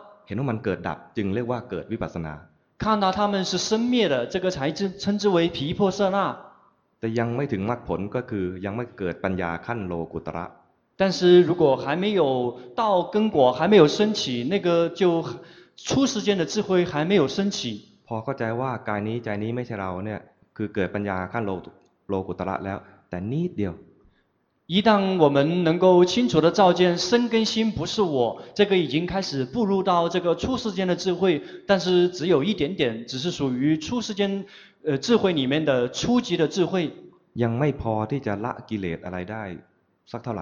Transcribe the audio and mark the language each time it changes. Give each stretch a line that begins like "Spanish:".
Thai: เห็นว่ามันเกิดดับจึงเรียกว่าเกิดวิปัสสนา
Chinese: 看到他们是生灭的这个才称之为毗婆舍那
Thai: แต่ยังไม่ถึงมรรคผลก็คือยังไม่เกิดปัญญาขั้นโลกุตระ
Chinese: 但是如果还没有道根果还没有升起那个就初世间的智慧还没有升起
Thai: พอเข้าใจว่ากายนี้ใจนี้ไม่ใช่เราเนี่ยคือเกิดปัญญาขั้นโลกุตระแล้วแต่นิดเดียว
Chinese: 一旦我们能够清楚的照见身跟心不是我这个已经开始步入到这个初世间的智慧但是只有一点点只是属于初世间智慧里面的初级的智慧
Thai: ยังไม่พอที่จะละกิเลสอะไรได้สักเท่าไหร